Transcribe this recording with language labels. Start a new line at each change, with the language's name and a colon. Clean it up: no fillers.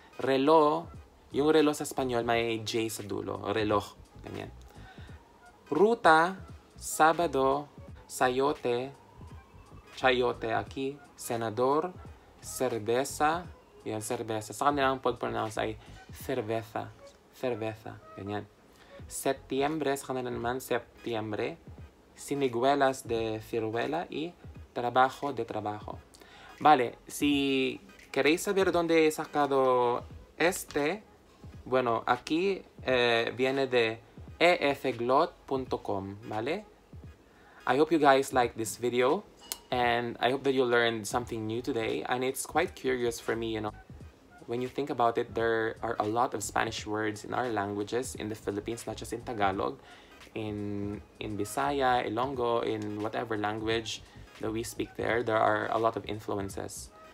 Filipino: Reloj, yung reloj sa Espanyol may J sa dulo, reloj, ganyan.
Spanish: Ruta, Sabado, Sayote, Chayote aquí, Senador, Cerveza,
Filipino: yan
Spanish: cerveza.
Filipino: Sa kanila ang pag-pronounce ay cerveza, cerveza, ganyan. Septiembre, sa kanila naman, Septiembre, Siniguelas de Ciruela y Trabajo de Trabajo.
Spanish: Vale, si queréis saber dónde he sacado este, bueno, aquí viene de efglot.com, ¿vale?
English: I hope you guys like this video, and I hope that you learned something new today, and it's quite curious for me, you know. When you think about it, there are a lot of Spanish words in our languages in the Philippines, not just in Tagalog, in Bisaya, Ilonggo, in whatever language that we speak there, there are a lot of influences.